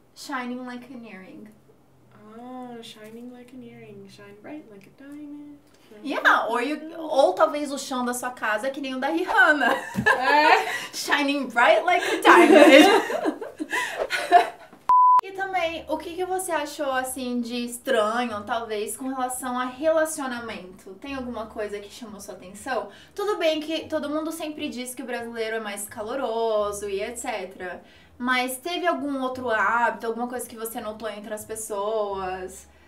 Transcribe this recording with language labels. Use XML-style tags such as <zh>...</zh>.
<en>Shining like an earring. Ah, shining like an earring. Shine bright like a diamond.</en> <pt>Yeah, ou talvez o chão da sua casa é que nem o da Rihanna. É.</pt> <en>Shining bright like a diamond.</en> <pt>E também, o que, que você achou, assim, de estranho, talvez, com relação a relacionamento? Tem alguma coisa que chamou sua atenção? Tudo bem que todo mundo sempre diz que o brasileiro é mais caloroso e etc. Mas teve algum outro hábito, alguma coisa que você notou entre as pessoas...</pt>